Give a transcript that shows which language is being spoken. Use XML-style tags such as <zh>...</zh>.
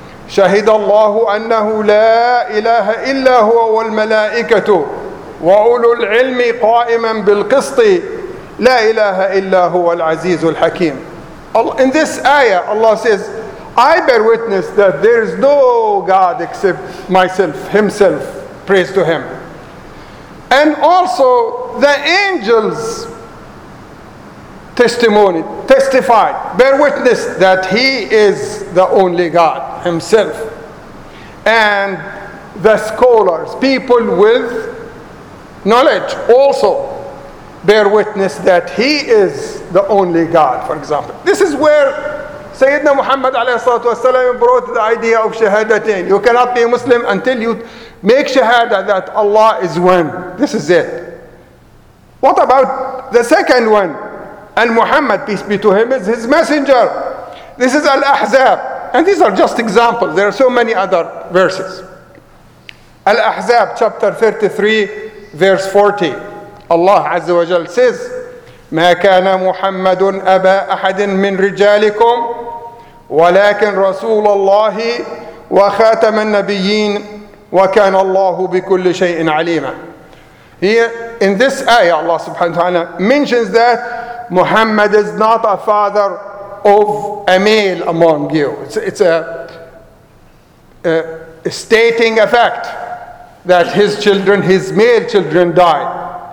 <ar>شهد الله أنه لا إله إلا هو والملائكة وأولو العلم قائما بالقسط لا إله إلا هو العزيز الحكيم.</ar> <en>In this ayah, Allah says, I bear witness that there is no God except myself, Himself, praise to Him. And also the angels testified, bear witness that He is the only God Himself. And the scholars, people with knowledge, also bear witness that He is the only God, for example. This is where Sayyidina Muhammad alayhi salatu wasalam brought the idea of shahadatain. You cannot be a Muslim until you make shahada that Allah is one. This is it. What about the second one? And Muhammad, peace be to him, is his messenger. This is Al-Ahzab. And these are just examples. There are so many other verses. Al-Ahzab, chapter 33, verse 40.</en> <ar>Allah Azza wa Jal says, مَا كَانَ مُحَمَّدٌ أَبَا أَحَدٍ مِّنْ رِجَالِكُمْ وَلَكِنْ رَسُولَ اللَّهِ وَخَاتَمَ النَّبِيِّينَ وَكَانَ اللَّهُ بِكُلِّ شَيْءٍ عَلِيمًا.</ar> <en>Here, in this ayah, Allah subhanahu wa ta'ala mentions that Muhammad is not a father of a male among you. It's a stating a fact that his male children died.</en>